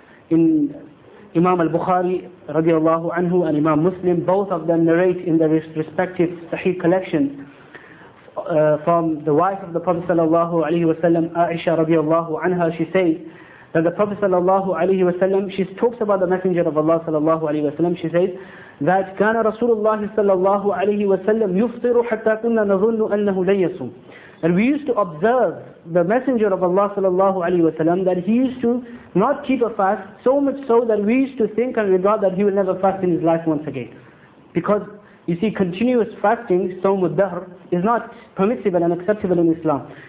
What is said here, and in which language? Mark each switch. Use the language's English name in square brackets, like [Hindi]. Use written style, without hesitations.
[English] In Imam al-Bukhari radiallahu anhu and Imam Muslim, both of them narrate in their respective sahih collections from the wife of the Prophet sallallahu alaihi wasallam, Aisha radiallahu anha. She says that the Prophet sallallahu alaihi wasallam, she talks about the Messenger of Allah sallallahu alaihi wasallam. She says that [Arabic] كان رسول الله صلى الله عليه وسلم يفطر حتى كنا نظن أنه لن يصوم. [English] And we used to observe the Messenger of Allah sallallahu alaihi wasallam that he used to not keep a fast, so much so that we used to think and regard that he will never fast in his life once again, because you see, continuous fasting, sawmud dahr, is not permissible and acceptable in Islam.